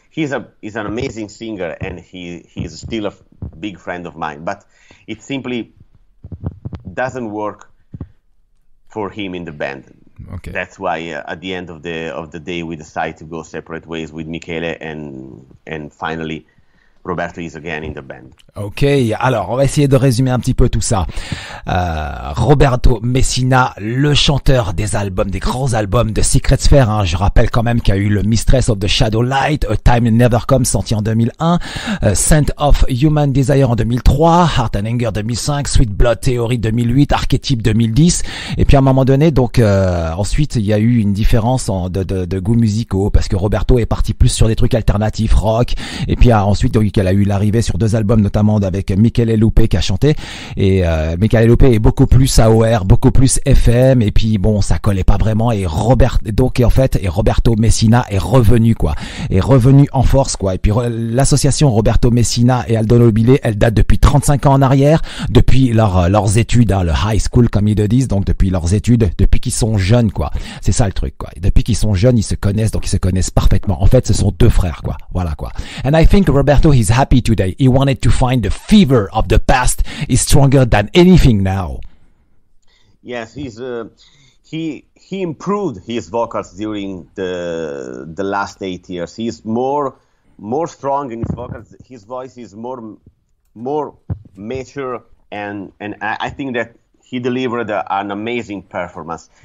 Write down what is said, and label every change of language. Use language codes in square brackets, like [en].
[en] He's an amazing singer, and he's still a big friend of mine. But it simply doesn't work for him in the band. Okay. That's why at the end of the day we decide to go separate ways with Michele, and finally Roberto is again in the band. [fr] Ok, alors on va essayer de résumer un petit peu tout ça. Roberto Messina, le chanteur des albums, des grands albums de Secret Sphere, hein. Je rappelle quand même qu'il y a eu le Mistress of the Shadow Light, A Time Never Comes, sorti en 2001, Scent of Human Desire en 2003, Heart and Anger 2005, Sweet Blood Theory 2008, Archetype 2010. Et puis à un moment donné, donc ensuite il y a eu une différence en, de goûts musicaux, parce que Roberto est parti plus sur des trucs alternatifs, rock, et puis ensuite qu'elle a eu l'arrivée sur deux albums, notamment avec Michele Lupe qui a chanté. Et Michele Lupe est beaucoup plus AOR, beaucoup plus FM, et puis bon, ça collait pas vraiment. Et Robert, donc, et en fait, et Roberto Messina est revenu, quoi, est revenu en force, quoi. Et puis l'association Roberto Messina et Aldo Lonobile, elle date depuis 35 ans en arrière, depuis leurs études, hein, le high school comme ils le disent, donc depuis leurs études, depuis qu'ils sont jeunes, quoi. C'est ça le truc, quoi. Et depuis qu'ils sont jeunes, ils se connaissent, donc ils se connaissent parfaitement. En fait, ce sont deux frères, quoi. Voilà, quoi. [en] And I think Roberto, he's happy today. He wanted to find the fever of the past is stronger than anything now. Yes, he improved his vocals during the last 8 years. He's more strong in his vocals. His voice is more mature, and I think that he delivered an amazing performance.